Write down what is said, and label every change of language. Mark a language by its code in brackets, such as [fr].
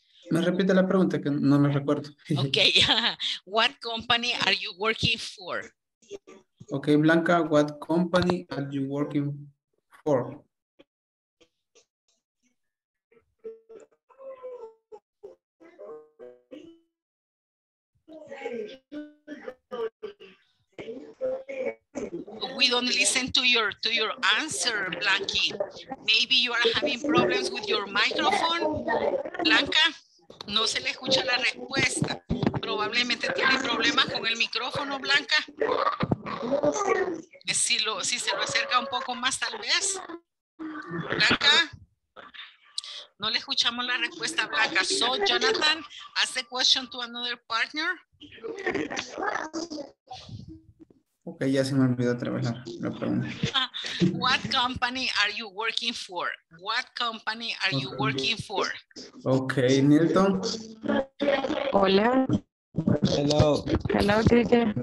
[es] Me repite la pregunta que no me recuerdo. [en] Okay, what company are you working for? Okay, Blanca, what company are you working for? We don't listen to your answer, Blanky. Maybe you are having problems with your microphone, Blanca. [es] No se le escucha la respuesta. Probablemente tiene problemas con el micrófono, Blanca. Si se lo acerca un poco más, tal vez. Blanca. No le escuchamos la respuesta, Blanca. [en] So, Jonathan, ask the question to another partner. [es] Ok, ya se me olvidó otra vez la pregunta. [en] What company are you working for? What company are you working for? Ok, Nilton. [es] Hola. [en] Hello. Hello, teacher.